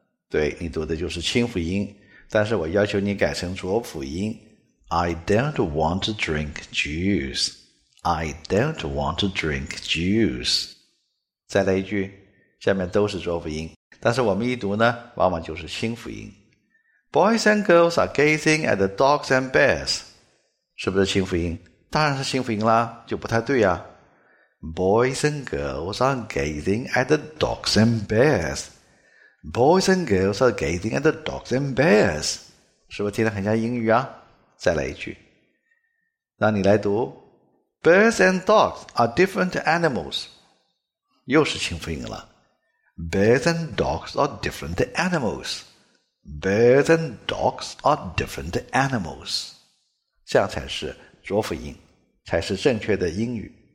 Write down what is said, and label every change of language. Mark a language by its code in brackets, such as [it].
[zh] 对，你读的就是清辅音，但是我要求你改成浊辅音。 [en] I don't want to drink juice. I don't want to drink juice. [zh] 再来一句，下面都是浊辅音，但是我们一读呢，往往就是清辅音。 [en] Boys and girls are gazing at the dogs and bears. [zh] 是不是清辅音？当然是清辅音啦，就不太对啊。 [en] Boys and girls are gazing at the dogs and bears. Boys and girls are gazing at the dogs and bears. [zh] 是不是听得很像英语啊？再来一句，让你来读 [en] Birds and dogs are different animals， [zh] 又是清辅音了。 [en] Birds and dogs are different animals. Birds and dogs are different animals， [zh] 这样才是浊辅音，才是正确的英语。